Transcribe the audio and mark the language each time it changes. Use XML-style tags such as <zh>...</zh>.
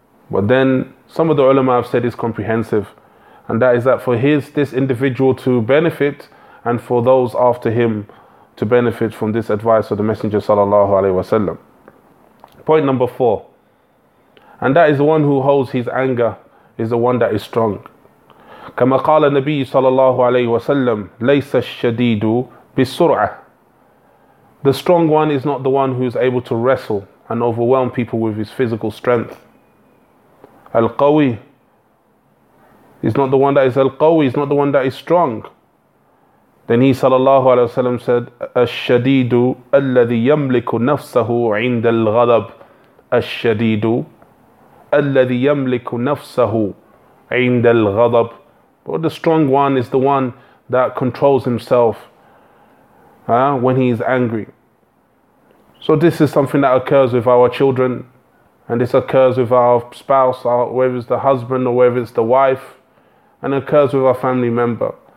<en>But then some of the ulama have said it's comprehensive, and that is that for this individual to benefit, and for those after him to benefit from this advice of the Messenger sallallahu alaihi wasallam. Point number 4. And that is, the one who holds his anger is the one that is strong.</en> <ar>كما قال النبي صلى الله عليه وسلم ليس الشديد بسرعة.</ar> <en>The strong one is not the one who is able to wrestle and overwhelm people with his physical strength. القوي is not the one that is القوي, is not the one that is strong. Then he</en> <ar>صلى الله عليه وسلم said الشديد الذي يملك نفسه عند الغضب. الشديد الذي يملك نفسه عند الغضب.</ar> <en>Or the strong one is the one that controls himself when he is angry. So this is something that occurs with our children, and this occurs with our spouse, whether it's the husband or whether it's the wife, and it occurs with our family member.</en>